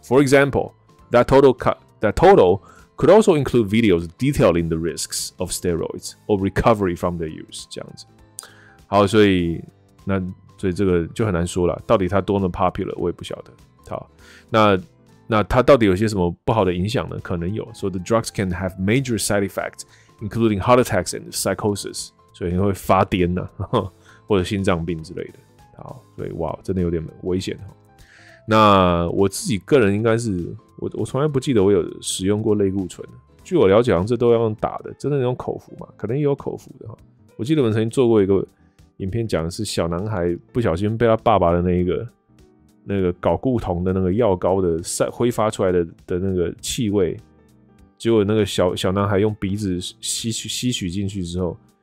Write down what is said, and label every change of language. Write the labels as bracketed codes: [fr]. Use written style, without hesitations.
[en] For example, that total could also include videos detailing the risks of steroids or recovery from their use，这样子。 [zh] 好，所以这个就很难说了。到底它多么 popular， 我也不晓得。好，那它到底有些什么不好的影响呢？可能有。 [en] So the drugs can have major side effects, including heart attacks and psychosis。 [zh] 所以你会发癫呢、或者心脏病之类的。好，所以哇，真的有点危险。那我自己个人应该是，我从来不记得我有使用过类固醇。据我了解，好像这都要用打的，真的用口服嘛？可能也有口服的。我记得我们曾经做过一个影片，讲的是小男孩不小心被他爸爸的那个睾固酮的那个药膏的挥发出来的那个气味，结果那个小男孩用鼻子吸取进去之后。